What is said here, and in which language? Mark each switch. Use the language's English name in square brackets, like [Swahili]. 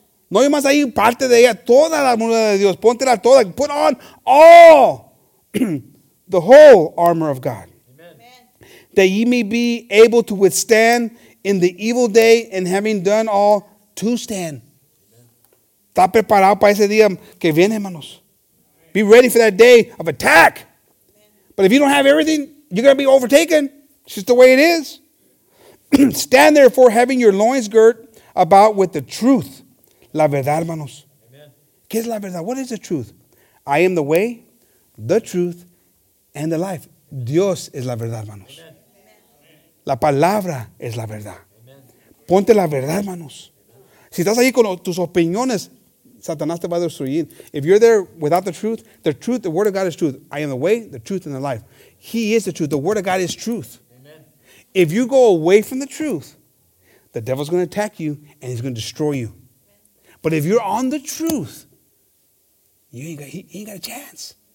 [Spanish] No hay más ahí parte de ella. Toda la armadura de Dios. Ponte la toda. [English] Put on all the whole armor of God. Amen. That ye may be able to withstand in the evil day and having done all to stand. [Spanish] Está preparado para ese día que viene, hermanos. [English] Be ready for that day of attack. But if you don't have everything, you're going to be overtaken. It's just the way it is. Stand therefore, having your loins girt about with the truth. [Spanish] La verdad, hermanos. Amen. ¿Qué es la verdad? [English] What is the truth? I am the way, the truth, and the life. [Spanish] Amen. Dios es la verdad, hermanos. Amen. La palabra es la verdad. Amen. Ponte la verdad, hermanos. Amen. Si estás ahí con tus opiniones, Satanás te va a destruir. [English] If you're there without the truth, the word of God is truth. I am the way, the truth, and the life. He is the truth. The word of God is truth. Amen. If you go away from the truth, the devil's going to attack you, and he's going to destroy you. Amen. But if you're on the truth, he ain't got a chance.